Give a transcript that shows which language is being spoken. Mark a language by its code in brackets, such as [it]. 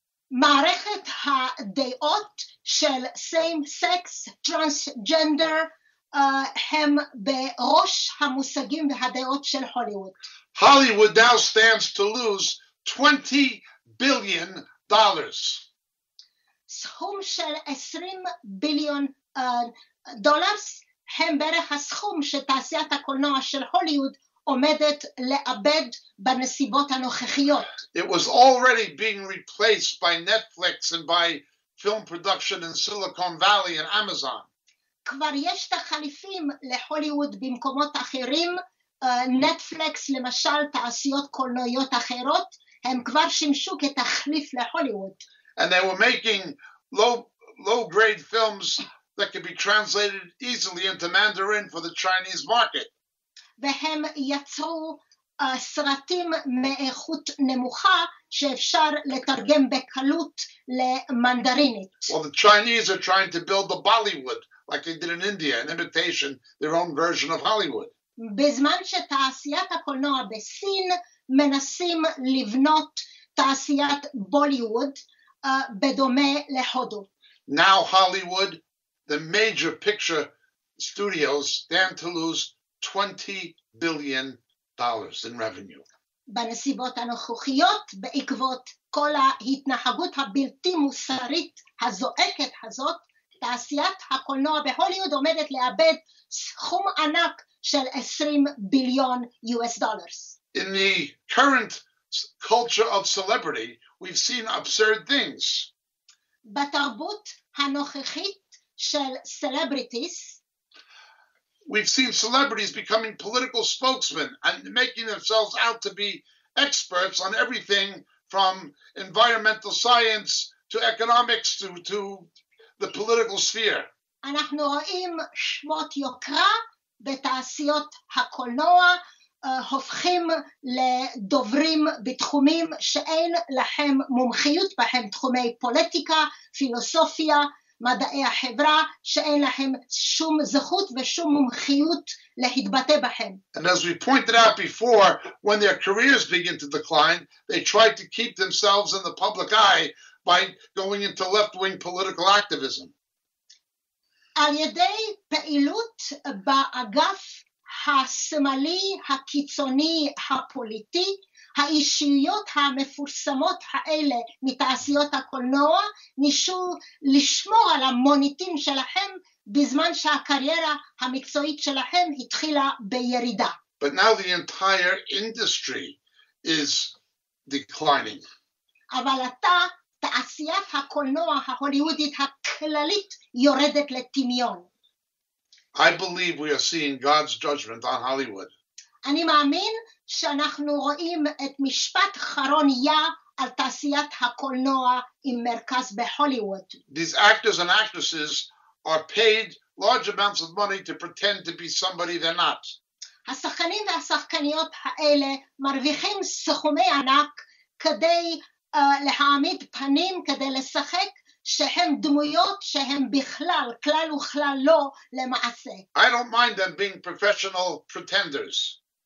[he] מערכת הדעות של [en] same-sex, transgender, [he] הם בראש המושגים והדעות של הוליווד. [en] Hollywood now stands to lose $20 billion. [he] סכום של 20 ביליון דולרס הם בערך הסכום שתעשיית הקולנוע של הוליווד עומדת לאבד בנסיבות הנוכחיות. [en] It was already being replaced by Netflix and by film production in Silicon Valley and Amazon. [he] כבר יש תחליפים להוליווד במקומות אחרים, נטפליקס למשל, תעשיות קולנועיות אחרות, הם כבר שימשו כתחליף להוליווד. [en] And they were making low-grade films that could be translated easily into Mandarin for the Chinese market. [he] והם יצרו סרטים מאיכות נמוכה שאפשר לתרגם בקלות למנדרינית. [en] Well, the Chinese are trying to build a Bollywood, like they did in India, an imitation, their own version of Hollywood. [he] בזמן שתעשיית הקולנוע בסין מנסים לבנות תעשיית בוליווד בדומה להודו. [en] Now Hollywood, the major picture studios, stand to lose $20 billion in revenue. [he] בנסיבות הנוכחיות, בעקבות כל ההתנהגות הבלתי מוסרית הזועקת הזאת, תעשיית הקולנוע בהוליווד עומדת לאבד סכום ענק של [en] $20 billion. In the current culture of celebrity, we've seen absurd things. [he] בתרבות הנוכחית של סלבריטיס, [en] we've seen celebrities becoming political spokesmen and making themselves out to be experts on everything from environmental science to economics to the political sphere. [he] אנחנו רואים שמות יוקרה בתעשיות הקולנוע הופכים לדוברים בתחומים שאין להם מומחיות בהם, תחומי פוליטיקה, פילוסופיה, מדעי החברה, שאין להם שום זכות ושום מומחיות להתבטא בהם. [en] And as we pointed out before, when their careers begin to decline, they try to keep themselves in the public eye by going into left-wing political activism. [he] על ידי פעילות באגף השמאלי הקיצוני הפוליטי, האישיות המפורסמות האלה מתעשיות הקולנוע נישו לשמור על המוניטין שלהם בזמן שהקריירה המקצועית שלהם התחילה בירידה. [en] But now the entire industry is declining. [he] אבל עתה תעשיית הקולנוע ההוליוודית הכללית יורדת לטמיון. [en] I believe we are seeing God's judgment on Hollywood. [he] אני מאמין שאנחנו רואים את משפט חרון יה על תעשיית הקולנוע עם מרכז בהוליווד. [en] These actors and actresses are paid large amounts of money to pretend to be somebody they're not. [he] השחקנים והשחקניות האלה מרוויחים סכומי ענק כדי להעמיד פנים, כדי לשחק שהם דמויות שהם בכלל, כלל וכלל לא למעשה. [en] I don't mind them being professional pretenders.